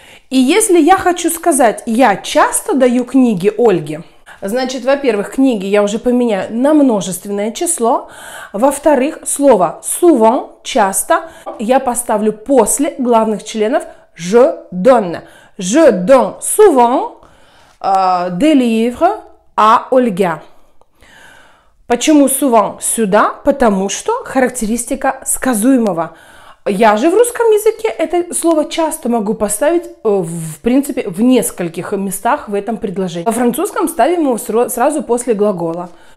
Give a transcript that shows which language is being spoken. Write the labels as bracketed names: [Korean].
[Russian] И если я хочу сказать «я часто даю книги Ольге», значит, во-первых, книги я уже поменяю на множественное число. Во-вторых, слово «souvent» – «часто» я поставлю после главных членов [French] «je donne». «Je donne souvent des livres à Olga». [Russian] Почему «souvent» сюда? Потому что характеристика сказуемого. Я же в русском языке это слово часто могу поставить, в принципе, в нескольких местах в этом предложении. Во французском ставим его сразу после глагола.